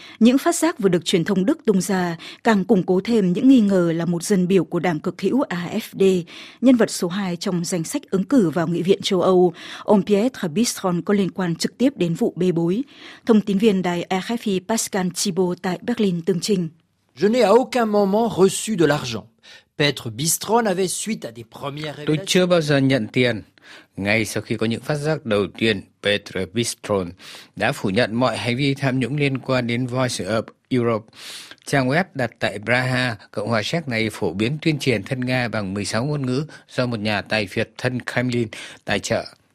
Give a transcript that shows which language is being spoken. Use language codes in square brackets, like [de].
[vi] Những phát giác vừa được truyền thông Đức tung ra càng củng cố thêm những nghi ngờ là một dân biểu của đảng cực hữu AfD, nhân vật số 2 trong danh sách ứng cử vào Nghị viện châu Âu, ông Pierre Bisson có liên quan trực tiếp đến vụ bê bối. Thông tin viên đài RFI Pascal Thibault tại Berlin tường trình. [fr] Je n'ai à aucun moment reçu de l'argent. Petre Bistron avait suite à des premières révélations. [vi] Tôi chưa bao giờ nhận tiền. Ngay sau khi có những phát giác đầu tiên, Petre Bistron đã phủ nhận mọi hành vi tham nhũng liên quan đến Voice of Europe. Trang web đặt tại Praha, Cộng hòa Séc này phổ biến tuyên truyền thân Nga bằng 16 ngôn ngữ do một nhà tài phiệt thân Kremlin tài trợ.